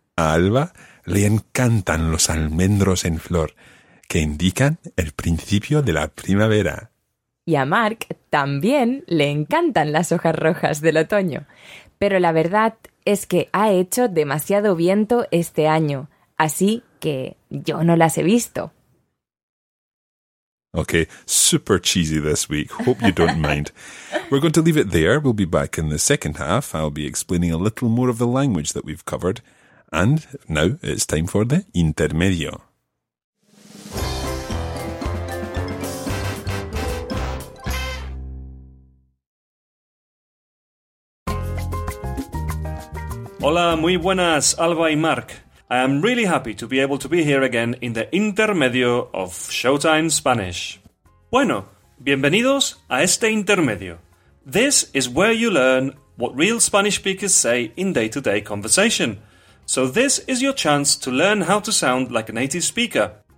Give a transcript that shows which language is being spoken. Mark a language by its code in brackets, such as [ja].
[es] A Alba le encantan los almendros en flor, que indican el principio de la primavera. Y a Mark también le encantan las hojas rojas del otoño. Pero la verdad es que ha hecho demasiado viento este año, así que yo no las he visto. [en] Okay, super cheesy this week. Hope you don't mind. We're going to leave it there. We'll be back in the second half. I'll be explaining a little more of the language that we've covered. And now it's time for the intermedio. [es] Hola, muy buenas, Alba y Mark. [en] I am really happy to be able to be here again in the intermedio of Showtime Spanish. [es] Bueno, bienvenidos a este intermedio. [en] This is where you learn what real Spanish speakers say in day-to-day conversation. So this is your chance to learn how to sound like a native speaker.